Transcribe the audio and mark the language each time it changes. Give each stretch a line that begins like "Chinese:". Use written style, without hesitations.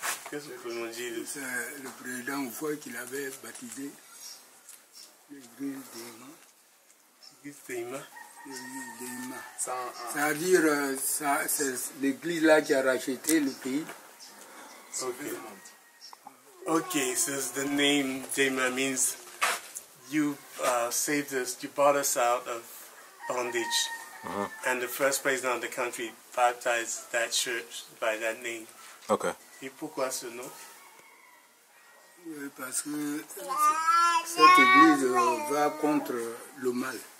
French: Qu'est-ce que le président voit qu'il avait baptisé l'église d'Ima. L'église d'Ima. L'église d'Ima. C'est-à-dire, c'est l'église-là qui a racheté le pays.
English: Ok, so the name d'Ima means you saved us, you brought us out of bondage. Uh-huh. And the first president of the country baptized that church by that name. Okay.
French: Et pourquoi ce nom? Oui, parce que cette église va contre le mal.